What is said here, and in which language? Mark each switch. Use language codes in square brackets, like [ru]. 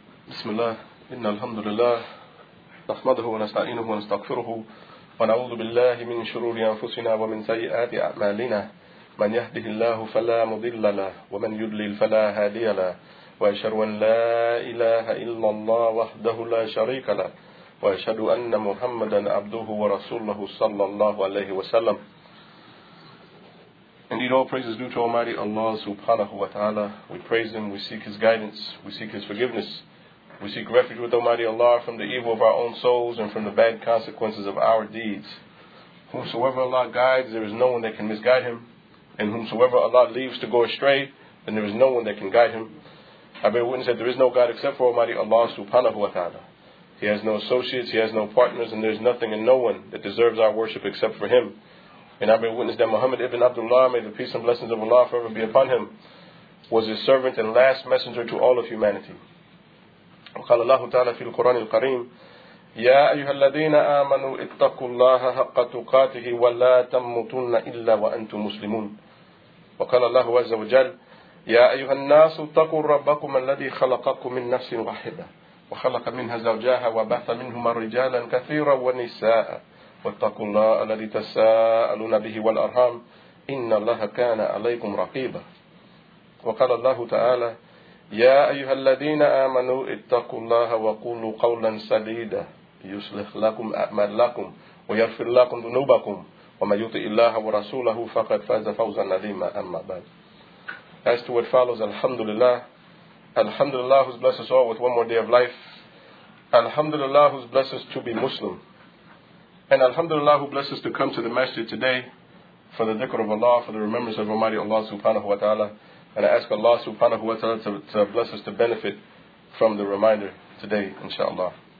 [ar] بسم الله إن الحمد لله نحمده ونستعينه ونستغفره ونعوذ بالله من شرور أنفسنا ومن سيئات أعمالنا من يهده الله فلا مضل له ومن يضلل فلا هادي له وأشهد أن لا إله إلا الله وحده لا شريك له وأشهد أن محمدا عبده ورسوله صلى الله عليه وسلم. [en] Indeed, all praise is due to Almighty Allah subhanahu wa ta'ala. We praise Him, we seek His guidance, we seek His forgiveness. We seek refuge with Almighty Allah from the evil of our own souls and from the bad consequences of our deeds. Whomsoever Allah guides, there is no one that can misguide him. And whomsoever Allah leaves to go astray, then there is no one that can guide him. I bear witness that there is no God except for Almighty Allah subhanahu wa ta'ala. He has no associates, He has no partners, and there is nothing and no one that deserves our worship except for Him. And I bear witness that Muhammad ibn Abdullah, may the peace and blessings of Allah forever be upon him, was his servant and last messenger to all of humanity. [ar] وقال الله تعالى في القرآن الكريم يا أيها الذين آمنوا اتقوا الله حق تقاته ولا تموتن إلا وأنتم مسلمون. وقال الله عز وجل يا أيها الناس اتقوا ربكم الذي خلقكم من نفس واحدة وخلق منها زوجها وبث منهما رجالا كثيرا ونساء واتقوا الله الذي تساءلون به والأرحام إن الله كان عليكم رقيبا. وقال الله تعالى يا أيها الذين آمنوا اتقوا الله وقولوا قولا سديدا يصلح لكم أعمالكم ويغفر لكم ذنوبكم ومن يطع الله ورسوله فقد فاز فوزا عظيما أما بعد. [en] As to what follows, Alhamdulillah. Alhamdulillah who's blessed us all with one more day of life. Alhamdulillah who's blessed us to be Muslim. And Alhamdulillah who blessed us to come to the masjid today for the dhikr of Allah, for the remembrance of Almighty Allah subhanahu wa ta'ala. And I ask Allah subhanahu wa ta'ala to bless us to benefit from the reminder today, inshallah.